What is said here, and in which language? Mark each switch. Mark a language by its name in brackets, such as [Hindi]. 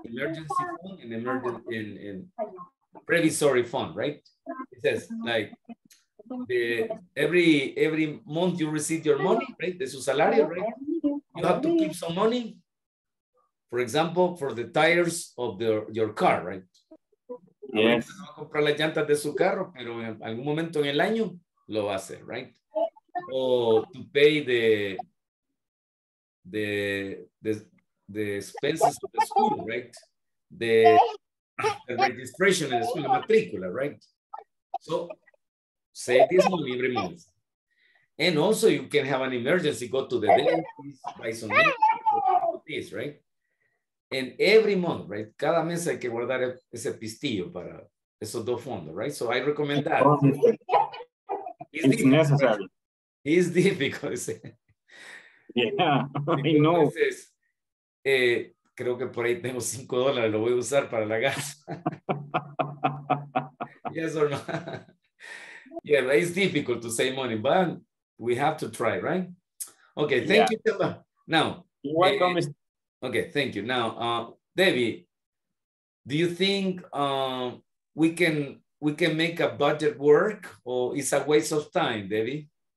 [English] Emergency fund and emergency and previsory fund, right? It says like the every month you receive your money, right? [Spanish] De su salario, [English] right? You have to keep some money, for example, for the tires of your car, right? Yes. [Spanish] No va a comprar las llantas de su carro, pero en algún momento en el año lo va a hacer, right? [English] O to pay the expenses of the school, right? The registration in the school, the matricula, right? So save this money every month. And also you can have an emergency, go to the dentist, buy some medicine, right? And every month, [Spanish] right? Cada mes hay que guardar ese pistillo para esos dos fondos, right? [English] So I recommend that. It's difficult. Necessary. It's difficult. Yeah, I know. [Spanish] Creo que por ahí tengo $5, lo voy a usar para la gas. [English] Yes or no? Yeah, but it's difficult to save money, but we have to try, right? Okay, thank you, Chamba. Now, you're welcome. Okay, thank you. Now, Debbie, do you think we can make a budget work, or it's a waste of time, Debbie?